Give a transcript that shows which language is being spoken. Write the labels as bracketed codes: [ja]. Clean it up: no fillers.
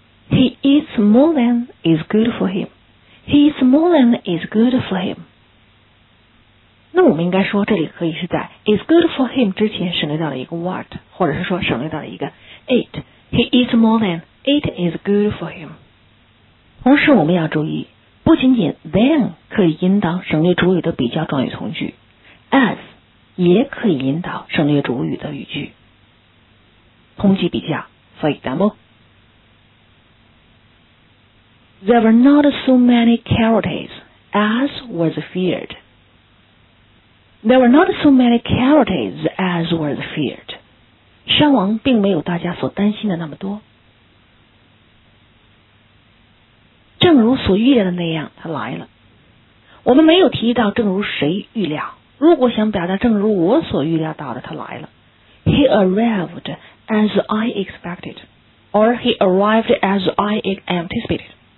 [en] He eats more than is good for him. He eats more than is good for him. [zh] 那我们应该说这里可以是在 [en] is good for him [zh] 之前省略到了一个 what, 或者是说省略到了一个 it. [en] He eats more than it is good for him. [zh] 同时我们要注意不仅仅 than 可以引导省略主语的比较状语从句 as 也可以引导省略主语的语句。同级比较 [en] for example, There were not so many casualties as was feared. There were not so many casualties as was feared. [zh] 伤亡并没有大家所担心的那么多。正如所预料的那样，他来了。我们没有提到正如谁预料，如果想表达正如我所预料到的，他来了。 [en] He arrived. As I expected, or he arrived as I anticipated.